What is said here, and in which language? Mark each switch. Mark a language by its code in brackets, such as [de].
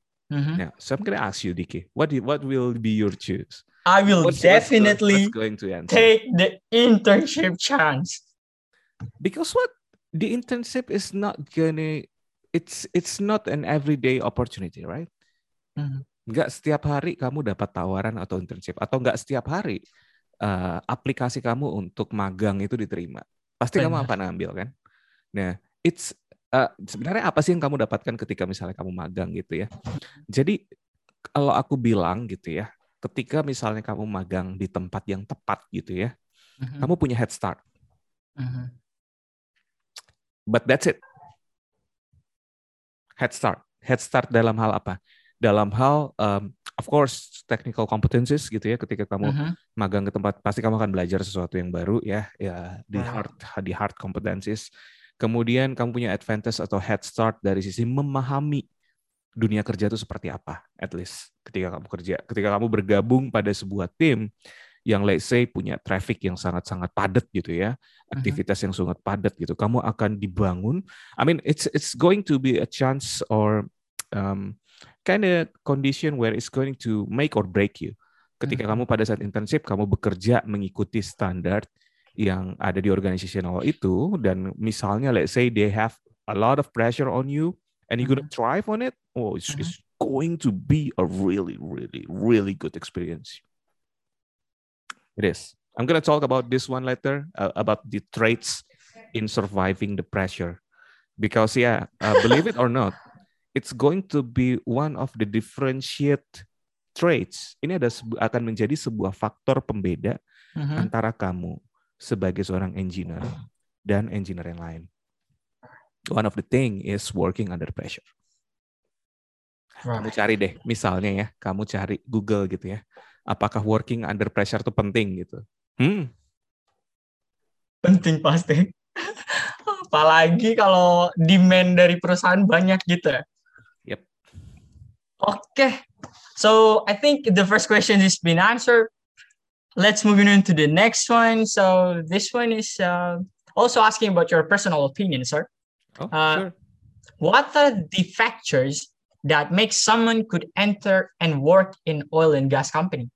[en] Yeah, so I'm gonna ask you, DK, what will be your choose? I will definitely going to take the internship chance. Because what? The internship is not gonna it's not an everyday opportunity, right? [id] Nggak setiap hari kamu dapat tawaran atau internship, atau nggak setiap hari aplikasi kamu untuk magang itu diterima. Pasti kamu apa ngambil, kan? Nah, it's sebenarnya apa sih yang kamu dapatkan ketika misalnya kamu magang gitu ya? Jadi kalau aku bilang gitu ya, ketika misalnya kamu magang di tempat yang tepat gitu ya, kamu punya head start. [en] But that's it. [id] Head start. Head start dalam hal apa? Dalam hal, of course, technical competences gitu ya. Ketika kamu magang ke tempat, pasti kamu akan belajar sesuatu yang baru ya. Ya, di hard competences. Kemudian kamu punya advantage atau head start dari sisi memahami dunia kerja itu seperti apa, at least ketika kamu kerja. Ketika kamu bergabung pada sebuah tim yang let's say punya traffic yang sangat-sangat padat gitu ya, aktivitas yang sangat padat gitu, kamu akan dibangun. [en] I mean, it's going to be a chance or kind of condition where it's going to make or break you. Ketika kamu pada saat internship, kamu bekerja mengikuti standar yang ada di organizational itu, dan misalnya let's say they have a lot of pressure on you, and you're gonna thrive on it, oh, it's going to be a really, really, really good experience. It is. I'm gonna talk about this one later, about the traits in surviving the pressure. Because yeah, believe it or not, it's going to be one of the differentiate traits. [id] Ini ada akan menjadi sebuah faktor pembeda antara kamu sebagai seorang engineer dan engineer yang lain. [en] One of the thing is working under pressure. [id] Right. Kamu cari deh, misalnya ya, kamu cari Google gitu ya, apakah working under pressure itu penting gitu? Penting pasti. Apalagi kalau demand dari perusahaan banyak gitu. [en] Yep. Okay. So I think the first question has been answered. Let's move on to the next one. So this one is also asking about your personal opinion, sir. Sure. What are the factors that make someone could enter and work in oil and gas company?